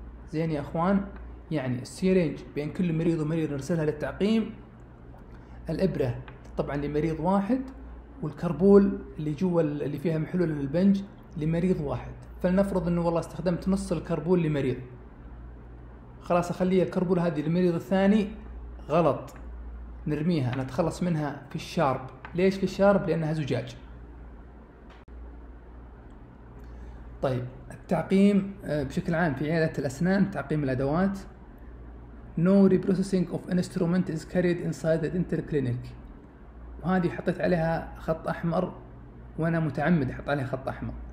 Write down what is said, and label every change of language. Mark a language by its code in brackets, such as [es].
[ar] زين يا أخوان، يعني السيرنج بين كل مريض ومريض نرسلها للتعقيم، الإبرة طبعا لمريض واحد، والكربول اللي جوا اللي فيها محلول البنج لمريض واحد. فلنفرض انه والله استخدمت نص الكربول لمريض، خلاص اخليه الكربول هذه للمريض الثاني، غلط، نرميها، نتخلص منها في الشارب. ليش في الشارب؟ لانها زجاج. طيب التعقيم بشكل عام في عيادة الاسنان، تعقيم الادوات، [en] No reprocessing of instrument is carried inside the dental clinic. [ar] وهذه حطيت عليها خط أحمر، وأنا متعمد أحط عليها خط أحمر.